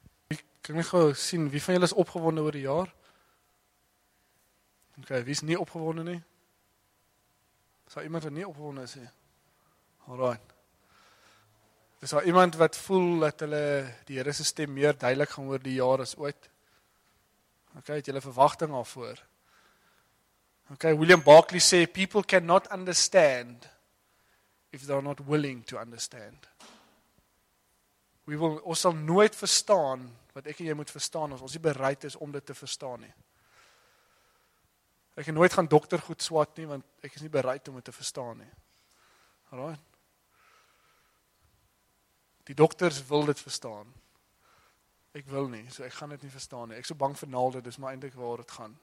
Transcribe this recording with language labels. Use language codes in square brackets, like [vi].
[af] Ek kan nie gauw sien, wie van julle is opgewonde oor die jaar? Ok, wie is nie opgewonde nie? Sal iemand wat nie opgewonde is? Alright. Sal iemand wat voel dat hulle die Here se stem meer duidelik gaan oor die jaar as ooit? Ok, het julle verwagting al voor? [en] Ok, William Barclay sê, people cannot understand if they are not willing to understand. [af] Ons sal nooit verstaan wat ek en jy moet verstaan, as ons nie bereid is om dit te verstaan nie. Ek gaan nooit gaan dokter goed swat nie, want ek is nie bereid om dit te verstaan nie. Alright. Die dokters wil dit verstaan. Ek wil nie, so ek gaan dit nie verstaan nie. Ek is so bang vir naalde, dis maar eintlik waar dit gaan.